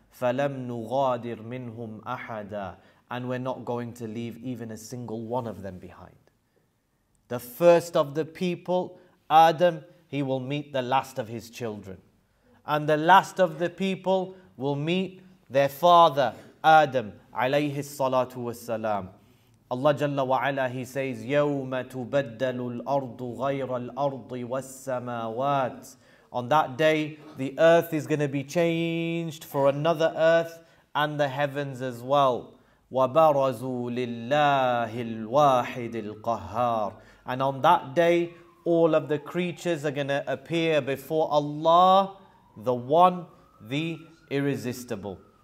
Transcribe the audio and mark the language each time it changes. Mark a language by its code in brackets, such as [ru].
[ar] فَلَمْ نُغَادِرْ مِنْهُمْ أَحَدًا, [en] and we're not going to leave even a single one of them behind. The first of the people, Adam, he will meet the last of his children. And the last of the people will meet their father, Adam, alayhi salatu wassalam. Allah Jalla wa'ala, He says, [ar] يَوْمَ تُبَدَّلُ الْأَرْضُ غَيْرَ الْأَرْضِ وَالسَّمَاوَاتِ. [en] On that day, the earth is going to be changed for another earth and the heavens as well. [ar] وَبَرَزُوا لِلَّهِ الْوَاحِدِ الْقَهَّارِ. [en] And on that day, all of the creatures are going to appear before Allah, the One, the Irresistible.